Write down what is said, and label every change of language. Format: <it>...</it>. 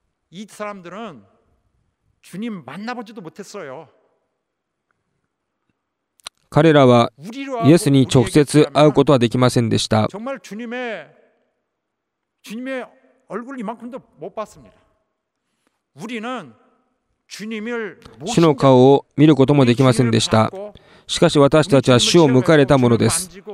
<ko>이 사람들은 주님 만나보지도 못했어요.</ko> <ja>彼らは イエス に 直接 会うことはできませんでした。</ja> <ko>정말 주님의 얼굴 이만큼도 못 봤습니다. 우리는 주님을</ko> <ja>主の 顔 を 見ることもできませんでした。しかし私たちは 主 を 迎えたものです。</ja>